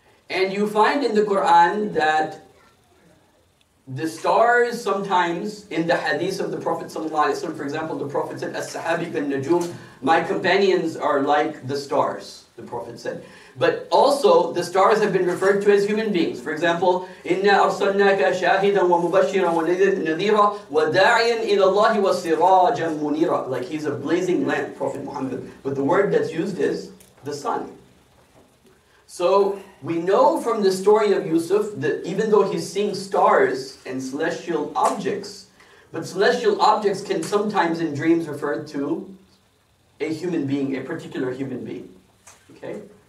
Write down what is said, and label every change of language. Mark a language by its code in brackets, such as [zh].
[en] And you find in the Quran that the stars sometimes, in the hadith of the Prophet ﷺ, for example, the Prophet said, As-sahabi bin najum, my companions are like the stars, the Prophet said. But also, the stars have been referred to as human beings. For example, [ar] إِنَّا أَرْسَلْنَاكَ شَاهِدًا وَمُبَشِّرًا وَنَذِيرًا وَدَاعِيًا إِلَى اللَّهِ وَصِرَاجًا مُنِيرًا. [en] Like he's a blazing lamp, Prophet Muhammad. But the word that's used is the sun. So we know from the story of Yusuf that even though he's seeing stars and celestial objects, but celestial objects can sometimes in dreams refer to a human being, a particular human being. Okay?